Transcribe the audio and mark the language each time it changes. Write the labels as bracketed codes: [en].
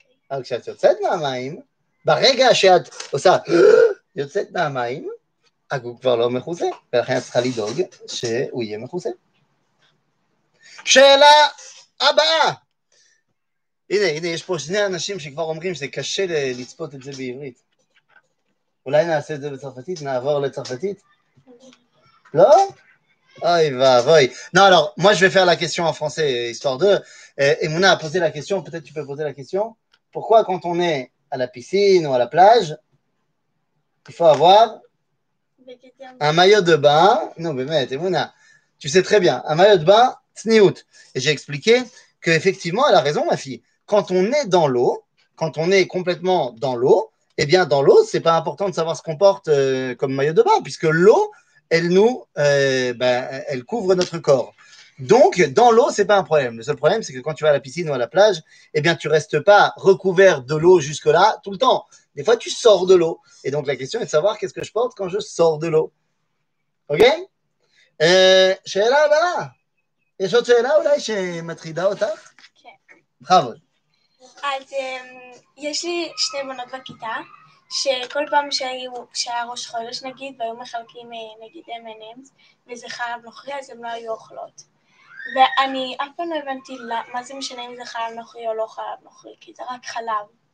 [he] אבל כשאת יוצאת מהמים, ברגע שאת עושה, יוצאת מהמים, הגוף כבר לא מכוסה, ולכן את צריכה לדאוג שהוא יהיה מכוסה. שאלה הבאה. הנה, הנה, יש פה שני אנשים שכבר אומרים שזה קשה לצפות את זה בעברית. אולי נעשה את זה בצרפתית, נעבור לצרפתית? לא? אוי ואבוי. [fr] Non, alors, moi je vais faire la question en français, histoire de. Emouna a posé la question, peut-être tu peux poser la question. Pourquoi quand on est à la piscine ou à la plage, il faut avoir un maillot de bain. Non, mais mette, Emouna, tu sais très bien, un maillot de bain, tsniout. Et j'ai expliqué qu'effectivement, elle a raison, ma fille. Quand on est dans l'eau, quand on est complètement dans l'eau, eh bien, dans l'eau, c'est pas important de savoir ce qu'on porte comme maillot de bain, puisque l'eau, elle nous, elle couvre notre corps. Donc, dans l'eau, c'est pas un problème. Le seul problème, c'est que quand tu vas à la piscine ou à la plage, eh bien, tu restes pas recouvert de l'eau jusque-là tout le temps. Des fois, tu sors de l'eau. Et donc, la question est de savoir qu'est-ce que je porte quand je sors de l'eau. Ok? Shela, voilà. Et je suis là, voilà, chez Matrida, ou t'as? Ok. Bravo. [he] אז יש לי שתי בנות בכיתה, שכל פעם שהיה ראש חודש נגיד, והיו מחלקים נגיד M&M's, וזה חלב נוכרי, אז הן לא היו אוכלות. ואני אף פעם לא הבנתי מה זה משנה אם זה חלב נוכרי או לא חלב נוכרי, כי זה רק חלב.